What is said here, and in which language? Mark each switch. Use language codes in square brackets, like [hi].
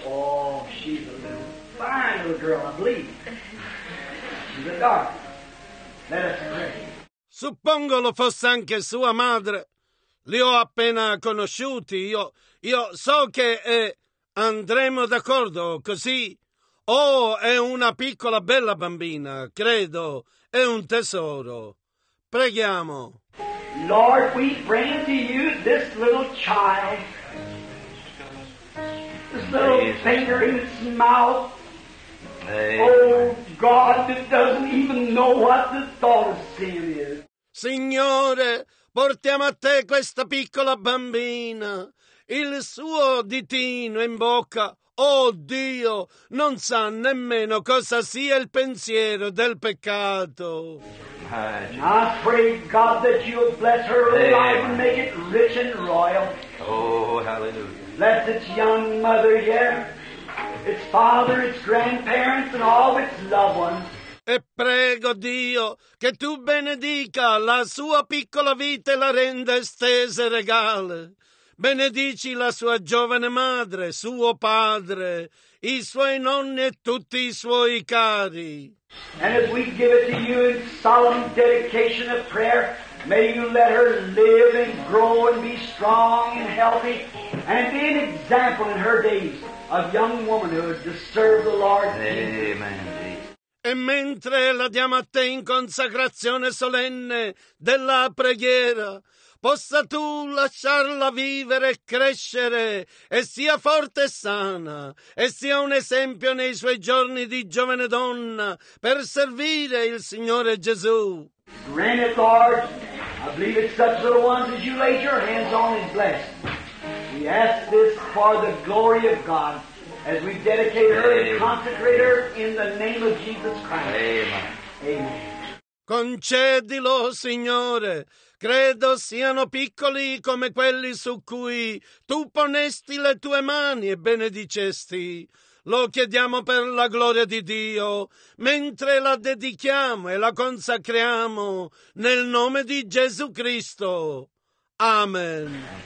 [en] Oh, she's a fine little girl, I believe. She's a dark. Let us pray. [it] Suppongo lo fosse anche sua madre. Li ho appena conosciuti. Io so che è... Andremo d'accordo, così? Oh, è una piccola bella bambina, credo, è un tesoro. Preghiamo. [en] Lord, we bring to you this little child. This little finger in its mouth. Oh, God, that doesn't even know what the thought of sin is. [it] Signore, portiamo a te questa piccola bambina. Il suo ditino in bocca, oh Dio, non sa nemmeno cosa sia il pensiero del peccato. [en] I pray God that you'll bless her life and make it rich and royal. Oh, hallelujah. Bless its young mother, yeah, its father, its grandparents, and all its loved ones. [it] E prego Dio che tu benedica la sua piccola vita e la renda estesa e regale. Benedici la sua giovane madre, suo padre, i suoi nonni e tutti i suoi cari. [en] And as we give it to you in solemn dedication of prayer, may you let her live and grow and be strong and healthy and be an example in her days of young womanhood to serve the Lord Jesus. Amen. [it] E mentre la diamo a te in consacrazione solenne della preghiera, possa tu lasciarla vivere e crescere, e sia forte e sana, e sia un esempio nei suoi giorni di giovane donna per servire il Signore Gesù. [en] Grant it, Lord, I believe it's such little ones as you laid your hands on and blessed. We ask this for the glory of God as we dedicate her and consecrate her in the name of Jesus Christ. Amen. Amen. [it] Concedilo, Signore. Credo siano piccoli come quelli su cui tu ponesti le tue mani e benedicesti. Lo chiediamo per la gloria di Dio, mentre la dedichiamo e la consacriamo nel nome di Gesù Cristo. Amen.